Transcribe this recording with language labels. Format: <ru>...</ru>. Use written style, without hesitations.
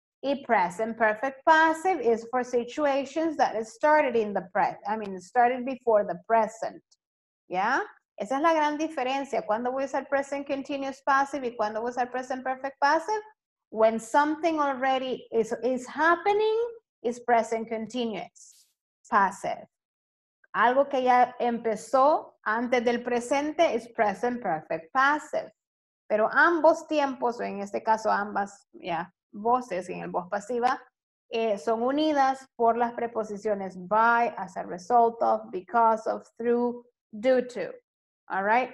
<en>Y present perfect passive is for situations that started in the present. I mean, started before the present. Yeah?</en> <es>Esa es la gran diferencia. ¿Cuándo voy a usar present continuous passive y cuándo voy a usar present perfect passive?</es> <en>When something already is happening, is present continuous passive.</en> <es>Algo que ya empezó antes del presente es present perfect passive. Pero ambos tiempos, o en este caso ambas voces en el voz pasiva, son unidas por las preposiciones by, as a result of, because of, through, due to.</es> <en>All right?</en>